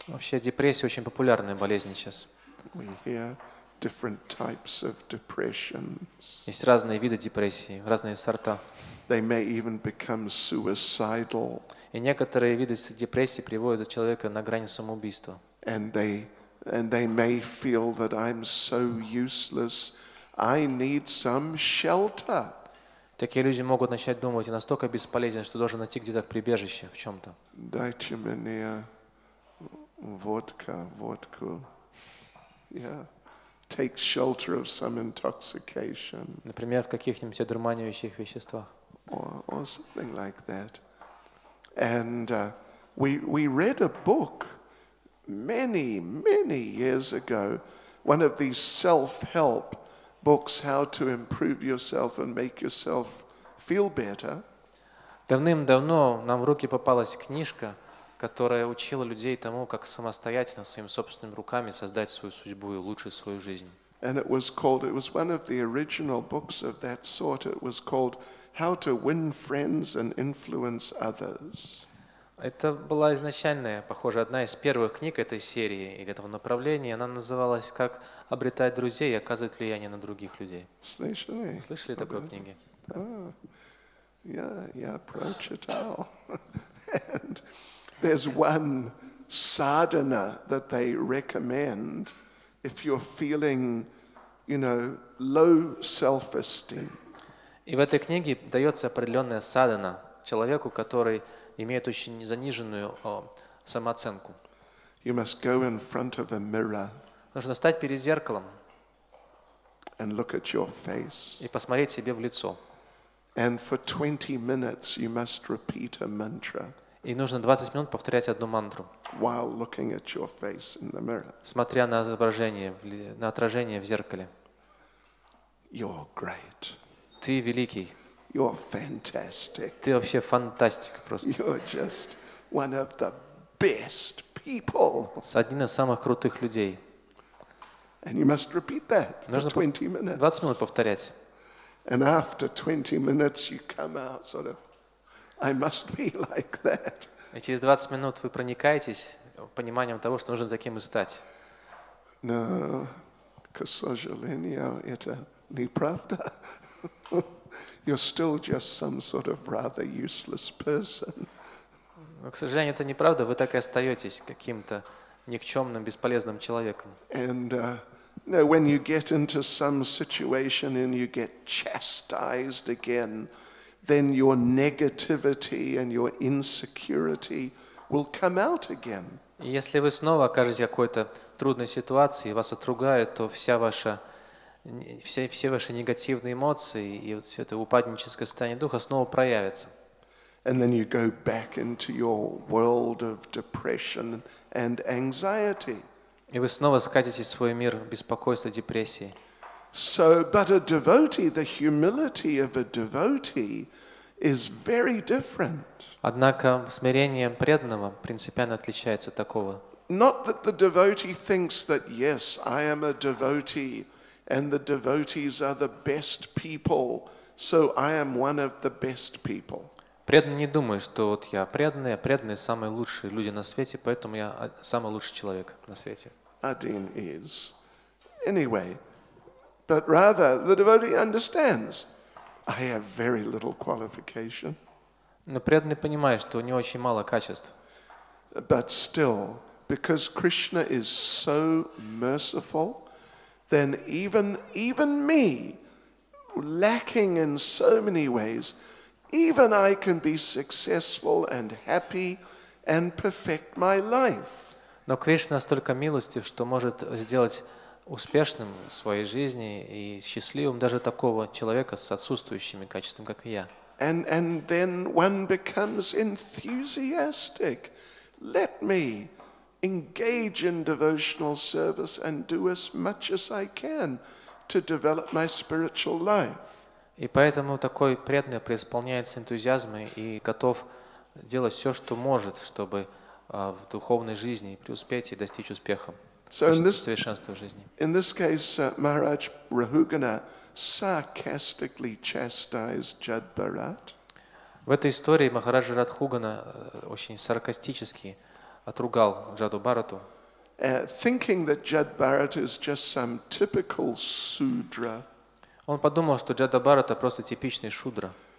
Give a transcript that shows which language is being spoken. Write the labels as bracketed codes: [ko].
[ru] Вообще, депрессия очень популярная болезнь сейчас. [en] We hear different types of depressions. [ru] Есть разные виды депрессии, разные сорта. [en] They may even become suicidal. [ru] И некоторые виды депрессии приводят человека на грани самоубийства. [en] And they may feel that I'm so useless. I need some shelter. [ru] Такие люди могут начать думать, я настолько бесполезен, что должен найти где-то в прибежище, в чем-то. Дайте мне водку. Yeah. [en] Take shelter of some intoxication. [ru] Например, в каких-нибудь одурманивающих веществах. [en] Or something like that. And we read a book many, many years ago, one of these self-help books, how to improve yourself and make yourself feel better. [ru] Давным-давно нам в руки попалась книжка, которая учила людей тому, как самостоятельно своими собственными руками создать свою судьбу и улучшить свою жизнь. [en] And it was one of the original books of that sort. It was called How to Win Friends and Influence Others. [ru] Это была изначальная, похоже, одна из первых книг этой серии или этого направления. Она называлась «Как обретать друзей и оказывать влияние на других людей». Слышали? Слышали такой книги? Я прочитал. [en] And there's one sadhana that they recommend if you're feeling, you know, low self-esteem. [ru] И в этой книге дается определенная садхана человеку, который имеет очень заниженную самооценку. [en] You must go in front of a mirror. [ru] Нужно встать перед зеркалом. [en] And look at your face. [ru] И посмотреть себе в лицо. [en] And for 20 minutes you must repeat a mantra. [ru] И нужно 20 минут повторять одну мантру. [en] While looking at your face in the mirror. [ru] Смотря на изображение, на отражение в зеркале. [en] You're great. [ru] Ты великий. [en] You're fantastic. [ru] Ты вообще фантастик просто. [en] You're just one of the best people. [ru] Один из самых крутых людей. [en] And you must repeat that for 20 minutes. [ru] 20 минут повторять. [en] And after 20 minutes you come out sort of I must be like that. [ru] И через 20 минут вы проникаетесь пониманием того, что нужно таким и стать. No, к сожалению, это неправда. [en] You're still just some sort of rather useless person. [ru] Но, к сожалению, это неправда. Вы так и остаетесь каким-то никчемным, бесполезным человеком. [en] And no, when you get into some situation and you get chastised again, then your negativity and your insecurity will come out again. [ru] Если вы снова окажетесь в какой-то трудной ситуации, вас отругают, то все ваши негативные эмоции и вот все это упадническое состояние духа снова проявится. [en] And then you go back into your world of depression and anxiety. [ru] И вы снова скатитесь в свой мир беспокойства, депрессии. [en] So, but a devotee, the humility of a devotee is very different. [ru] Однако смирение преданного принципиально отличается от такого. [en] Not that the devotee thinks that yes, I am a devotee and the devotees are the best people, so I am one of the best people. [ru] Преданный не думает, что вот я преданный, а преданные самые лучшие люди на свете, поэтому я самый лучший человек на свете. Один is. [en] Anyway, but rather the devotee understands I have very little qualification. [ru] Но преданный понимает, что у него очень мало качеств. [en] But still, because Krishna is so merciful, then even me, lacking in so many ways, even I can be successful and happy and perfect my life. [ru] Но Кришна настолько милостив, что может сделать успешным в своей жизни и счастливым даже такого человека с отсутствующими качествами, как я. [en] And then one becomes enthusiastic. Let me engage in devotional service and do as much as I can to develop my spiritual life. [ru] И поэтому такой преданный преисполняется энтузиазмом и готов делать все, что может, чтобы в духовной жизни преуспеть и достичь успеха, совершенства в жизни. [en] In this case, Maharaj Rahugana sarcastically chastised Jad Bharat. [ru] В этой истории Махараджа Радхугана очень саркастически отругал Джаду Бхарату. [en] Thinking that Jad Bharat is just some typical sudra. [ru] Он подумал, что Джада Бхарата просто типичный шудра.